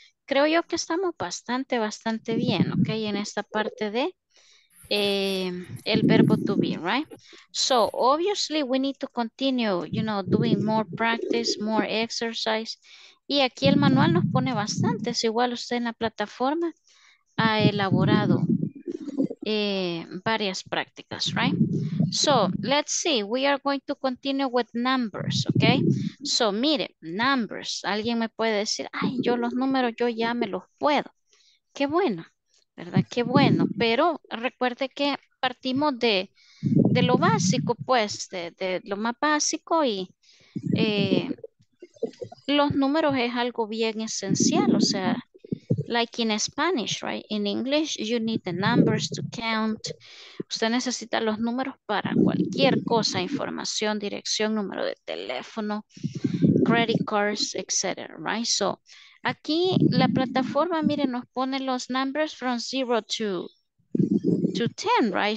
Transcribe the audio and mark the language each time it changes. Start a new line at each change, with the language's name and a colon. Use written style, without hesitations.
Spanish: Creo yo que estamos bastante bien, okay, en esta parte de el verbo to be, right?
English: So obviously we need to continue, you know, doing more practice, more exercise.
Spanish: Y aquí el manual nos pone bastante, es igual usted en la plataforma ha elaborado varias prácticas, right?
English: So let's see, we are going to continue with numbers, okay?
Spanish: So mire, numbers, alguien me puede decir, ay, yo los números yo ya me los puedo. Qué bueno. ¿Verdad? Qué bueno, pero recuerde que partimos de lo básico, pues, de lo más básico y los números es algo bien esencial, o sea,
English: like in Spanish,
Spanish: right?
English: In English, you need the numbers to count.
Spanish: Usted necesita los números para cualquier cosa, información, dirección, número de teléfono, credit cards, etc., right? So, aquí la plataforma, miren, nos pone los
English: numbers from 0 to 10,
Spanish: right?